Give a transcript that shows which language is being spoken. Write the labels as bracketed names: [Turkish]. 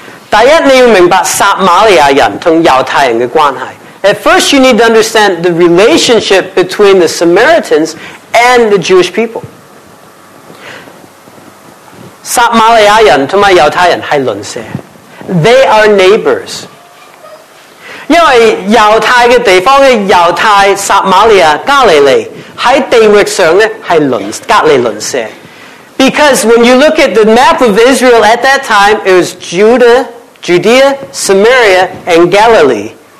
[Chinese] 第一,你要明白撒玛利亚人和犹太人的关系。 [English] At first, you need to understand the relationship between the Samaritans and the Jewish people. [Chinese] 撒玛利亚人和犹太人是邻舍。 [English] They are neighbors. [Chinese] 因为犹太的地方的犹太,撒玛利亚,加利利,在地域上是隔离邻舍。 [English] Because when you look at the map of Israel at that time, it was Judea, Samaria, and Galilee.